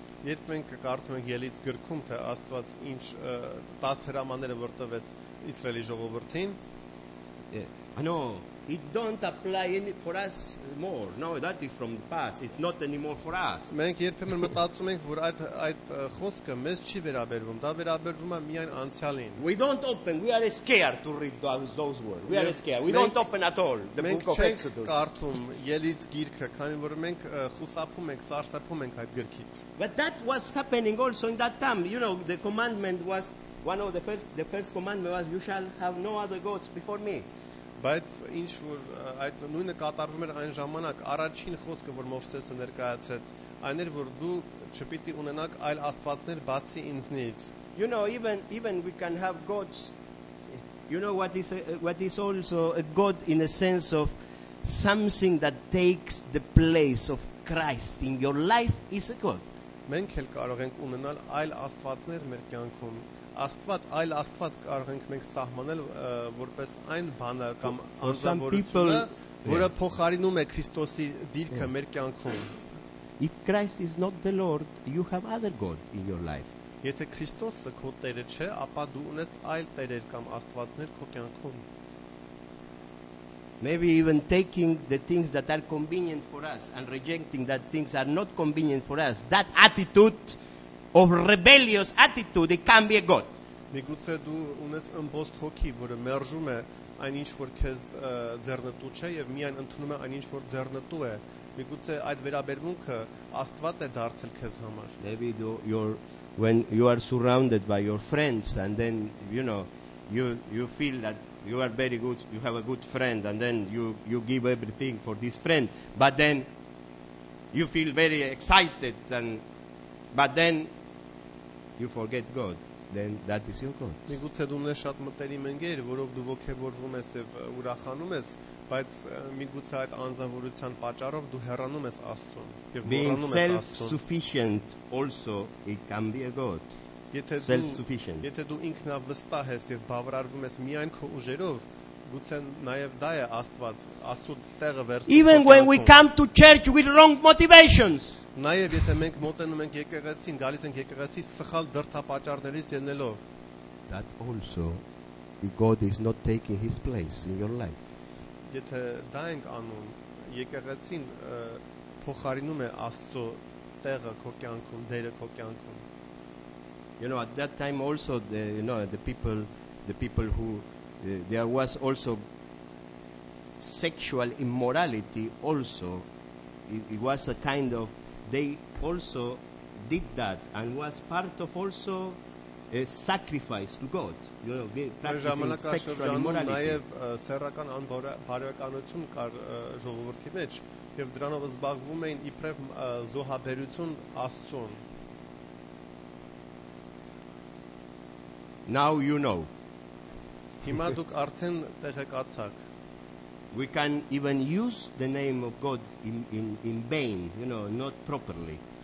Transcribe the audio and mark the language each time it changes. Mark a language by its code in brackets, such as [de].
[hy] Երբ մենք կարդում ենք Ելից գրքում, թե Աստված ինչ 10 հրամանները որ տվեց Իսրայելի ժողովրդին, [en] I know it don't apply any for us more. No, that is from the past. It's not anymore for us. [hy] Մենք երբեմն մտածում ենք, որ այդ խոսքը մեզ չի վերաբերվում, դա վերաբերվում է միայն անցյալին. [en] We don't open. We are scared to read those words. We are scared. We don't open at all. The book of Exodus. [hy] Մենք չենք կարդում Ելից գիրքը, քանի որ մենք խուսափում ենք, սարսափում ենք այդ գրքից. [en] But that was happening also in that time. You know, the commandment was one of the first commandment was you shall have no other gods before me. [hy] Բայց ինչ որ այդ նույնը կատարվում էր այն ժամանակ, առաջին խոսքը, որ Մովսեսը ներկայացրեց, այն էր, որ դու չպիտի ունենաք այլ աստվածներ բացի ինձնից. [en] You know, even we can have gods. You know what is also a god in a sense of something that takes the place of Christ in your life is a god. [hy] Մենք էլ կարող ենք ունենալ այլ աստվածներ մեր կյանքում. Աստված, այլ աստված կարող ենք մենք սահմանել որպես այն բանը կամ անձնավորությունը, որը փոխարինում է Քրիստոսի դիրքը մեր կյանքում. [en] If Christ is not the Lord, you have other god in your life. [hy] Եթե Քրիստոսը քո Տերը չէ, ապա դու ունես այլ տերեր կամ աստվածներ քո կյանքում. [en] Maybe even taking the things that are convenient for us and rejecting that things are not convenient for us. That attitude of rebellious attitude, it can be a god. [hy] Միգուցե դու ունես ըմբոստ հոգի, որը մերժում է այն ինչ որ քեզ ձեռնտու չէ եւ միայն ընդունում է այն ինչ որ ձեռնտու է։ Միգուցե այդ վերաբերմունքը աստված է դարձել քեզ համար։ [en] Maybe when you are surrounded by your friends and then you know you feel that you are very good, you have a good friend and then you give everything for this friend, but then you feel very excited and but then you forget God, then that is your God. [hy] Միգուցե դու ունես շատ մտերիմ մտերիմներ, որով դու ոգևորվում ես եւ ուրախանում ես, բայց միգուցե այդ անձնավորության պատճառով դու հեռանում ես Աստծուն եւ մոռանում ես Աստծուն. [en] Being self-sufficient also it can be a God. [hy] Եթե դու ինքնավստահ ես եւ բավարարվում ես միայն քո ուժերով, գուցե նաեւ դա է Աստված, Աստծո տեղը վերցնում։ [en] Even when we come to church with wrong motivations. [hy] Նաեւ եթե մենք մոտենում ենք եկեղեցին, գալիս ենք եկեղեցի սխալ դրդապատճառներից ելնելով, [en] that also the God is not taking his place in your life. [hy] Եթե դա ենք անում, եկեղեցին փոխարինում է Աստծո տեղը քո կյանքում, դերը քո կյանքում. [en] You know, at that time also the people who there was also sexual immorality also it was a kind of they also did that and was part of also a sacrifice to God. You know, practicing sexual immorality. [hy] Նաև սեռական անբարոյականություն կար ժողովրդի մեջ եւ դրանով զբաղվում էին իբրև զոհաբերություն Աստծուն. [en] Now you know. [hy] Հիմա դուք արդեն տեղեկացաք։ [en] We can even use the name of God in vain, you know, not properly.